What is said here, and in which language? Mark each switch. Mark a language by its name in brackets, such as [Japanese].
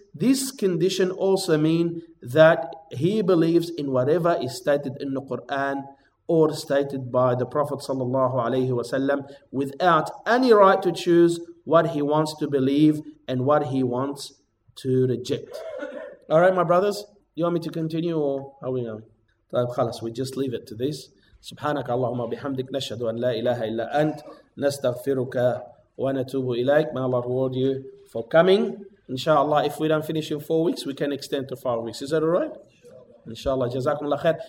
[English] This condition also means that he believes in whatever is stated in the Quran or stated by the Prophet sallallahu alaihi wasallam, without any right to choose what he wants to believe and what he wants to reject. All right, my brothers, you want me to continue or how are we going? [Arabic] طيب خلاص, [English] we just leave it to this. [Arabic] سبحانك اللهم وبحمدك نشهد أن لا إله إلا أنت نستغفرك ونتوب إليك. [English] May Allah reward you for coming. Inshallah, if we don't finish in 4 weeks, we can extend to 5 weeks. Is that all right? Inshallah, [Arabic] جزاكم الله خير.